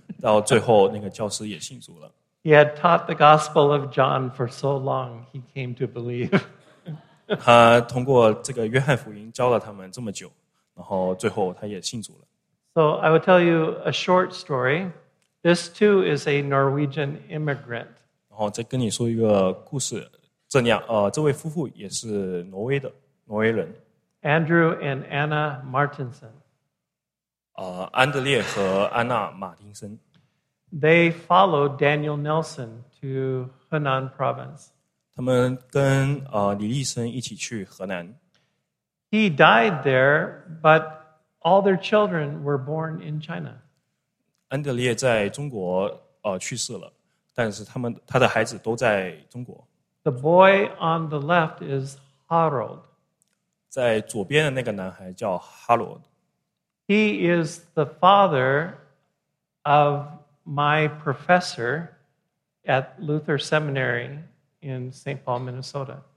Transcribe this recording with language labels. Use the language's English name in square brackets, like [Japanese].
[Chinese] 到最后，那个教师也信主了。 [English] He had taught the Gospel of John for so long, he came to believe. [Chinese] 他通过这个约翰福音教了他们这么久，然后最后他也信主了。 [English] So I will tell you a short story. This too is a Norwegian immigrant. [Chinese] 然后再跟你说一个故事，这位夫妇也是挪威的，挪威人。 [English] Andrew and Anna Martinson. [Chinese] 安德烈和安娜·马丁森。 [English] They followed Daniel Nelson to Henan Province. [Chinese] 他们跟李立生一起去河南。 [English] He died there, but all their children were born in China. [Chinese] 安德烈在中国去世了，但是他的孩子都在中国。 [English] The boy on the left is Harold. [Chinese] 在左边的那个男孩叫哈罗。 [English] He is the father of my professor at Luther Seminary in St. Paul, Minnesota.